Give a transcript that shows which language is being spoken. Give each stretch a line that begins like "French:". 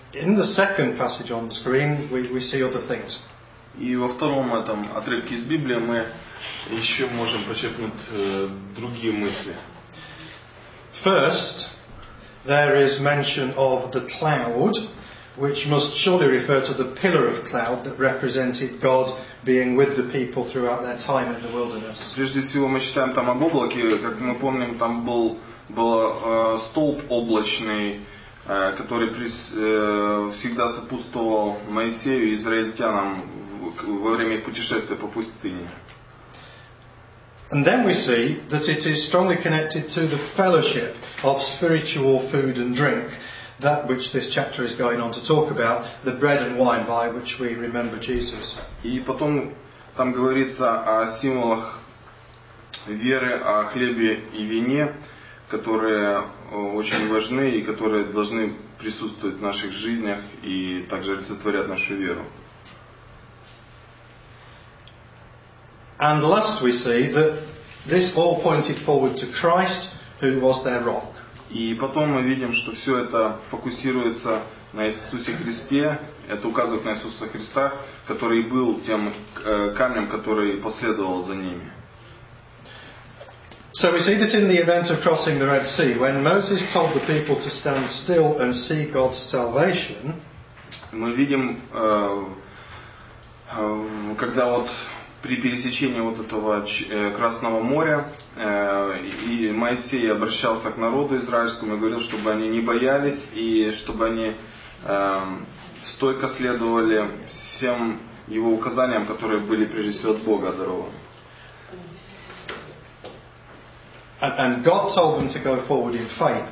English: In the second passage on the screen, we see other things.
Russian: И во втором этом отрывке из Библии мы еще можем почерпнуть другие мысли.
English: First, there is mention of the cloud, which must surely refer to the pillar of cloud that represented God being with the people throughout their time in the wilderness.
Russian: Прежде всего мы читаем там об облаке, как мы помним, там был столб облачный, который всегда сопутствовал Моисею и израильтянам во время путешествия по пустыне.
English: And then we see that it is strongly connected to the fellowship of spiritual food and drink, that which this chapter is going on to talk about, the bread and wine by which we remember Jesus.
Russian: И потом там говорится о символах веры, о хлебе и вине, которые очень важны и которые должны присутствовать в наших жизнях и также олицетворят нашу веру.
English: And last we see that this all pointed forward to Christ, who was their rock.
Russian: И потом мы видим, что все это фокусируется на Иисусе Христе, это указывает на Иисуса Христа, который был тем камнем, который последовал за ними.
English: So we see that in the event of crossing the Red Sea, when Moses told the people to stand still and see God's salvation,
Russian: мы видим, когда вот при пересечении вот этого Красного моря и Моисей обращался к народу израильскому и говорил, чтобы они не боялись и чтобы они стойко следовали всем его указаниям, которые были прежде всего от Бога дарованы.
English: And God told them to go forward in faith.